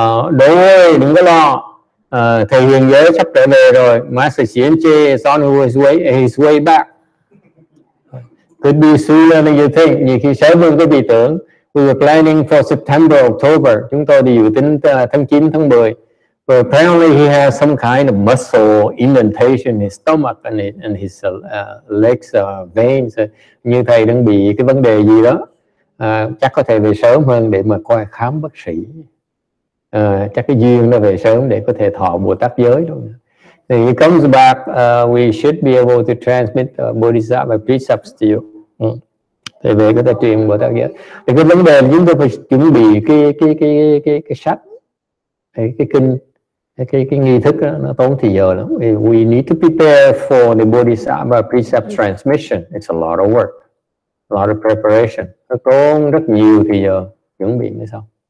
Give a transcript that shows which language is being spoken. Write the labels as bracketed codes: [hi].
[vi] Đối với đừng có lo. Thầy Huyền Giới sắp trở về rồi. [en] Master Xuyên Chê is on his way back. Could be sooner than you think. [vi] Như khi sớm hơn quý vị tưởng. [en] We were planning for September, October. [vi] Chúng tôi đi dự tính tháng 9, tháng 10. [en] But apparently he has some kind of muscle indentation in his stomach and his legs, veins. [vi] Như thầy đang bị cái vấn đề gì đó. Chắc có thể về sớm hơn để mà coi khám bác sĩ. Chắc cái duyên nó về sớm để có thể thọ Bồ Tát giới luôn. [en] When he comes back, we should be able to transmit Bodhisattva precepts to you. [vi] Thì về có thể truyền Bồ Tát giới. Thì cái vấn đề là chúng tôi phải chuẩn bị cái sách, cái kinh, cái nghi thức đó, nó tốn thì giờ lắm. [en] We need to prepare for the Bodhisattva precept transmission. It's a lot of work, a lot of preparation. [vi] Nó tốn rất nhiều thì giờ chuẩn bị mới xong.